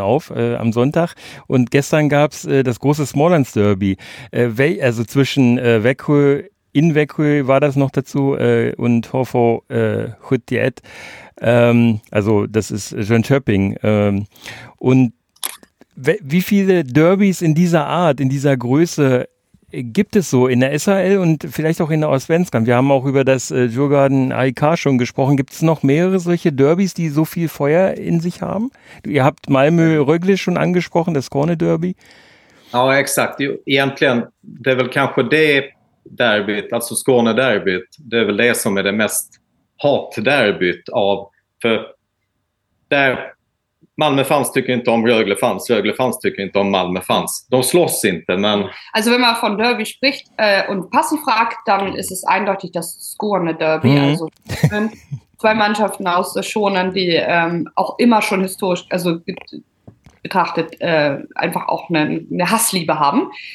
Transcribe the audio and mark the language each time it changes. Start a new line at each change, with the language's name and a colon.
German: auf, am Sonntag, und gestern gab es das große Smalllands Derby, also zwischen Växjö war das noch dazu und HV Hudiet, also das ist Jönköping, und wie viele Derbys in dieser Art, in dieser Größe gibt es so in der SHL und vielleicht auch in der Allsvenskan? Wir haben auch über das Djurgården AIK schon gesprochen. Gibt es noch mehrere solche Derbys, die so viel Feuer in sich haben? Ihr habt Malmö-Rögle schon angesprochen, das Skåne-Derby.
Swedish: Ja, exakt. Egentligen, det är väl kanske det derbyt, alltså Skåne-derbyt, det är väl det som är det mest hat-derbyt av. För där Malmö fans tycker inte om Rögle fans tycker inte om Malmö fans. De slåss inte, men...
German: Also wenn man von Derby spricht und Passi fragt, dann ist es eindeutig das Skåne-Derby. Mm. Also zwei Mannschaften aus der Schonen, die auch immer schon historisch, also betrachtet, einfach auch eine Hassliebe haben.